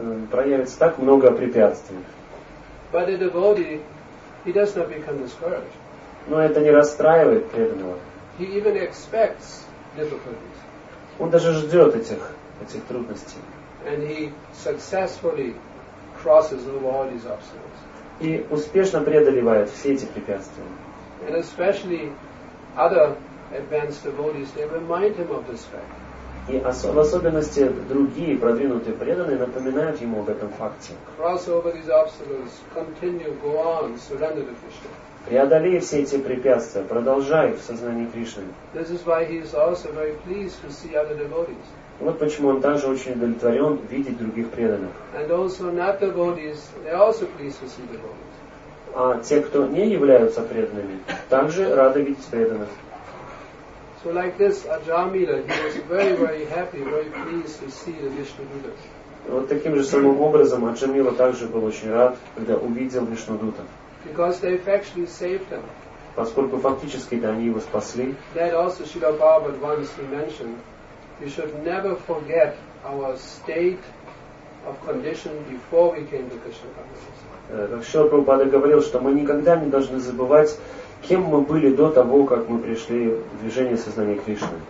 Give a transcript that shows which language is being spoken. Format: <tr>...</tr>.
<ru>Проявится так много препятствий.</ru> <en>But the devotee, he does not become discouraged.</en> <ru>Но это не расстраивает преданного.</ru> <en>He even expects difficulties.</en> <ru>Он даже ждет этих трудностей.</ru> <en>And he successfully crosses over all these obstacles.</en> <ru>И успешно преодолевает все эти препятствия.</ru> <en>And especially other advanced devotees, they remind him of this fact.</en> <ru>И в особенности другие продвинутые преданные напоминают ему об этом факте.</ru> <en>Cross over these obstacles, continue, go on, surrender to Krishna.</en> <ru>Преодолей все эти препятствия, продолжай в сознании Кришны.</ru> <en>This is why he is also very pleased to see other devotees.</en> <ru>Вот почему он также очень удовлетворен видеть других преданных.</ru> <en>And also not devotees, they also pleased to see devotees.</en> <ru>А те, кто не являются преданными, также рады видеть преданных.</ru> <en>So like this, Ajamila, he was very, very happy, very pleased to see the Vishnu Dutta.</en> <ru>Вот таким же самым образом Аджамила также был очень рад, когда увидел Вишну Дута.</ru> <en>Because they actually saved him.</en> <ru>Поскольку фактически они его спасли.</ru> <en>That also Srila Prabhupada once he mentioned, we should never forget our state of condition before we came to Krishna consciousness.</en> <ru>Srila Prabhupada говорил, что мы никогда не должны забывать, кем мы были до того, как мы пришли в движение сознания Кришны?</ru>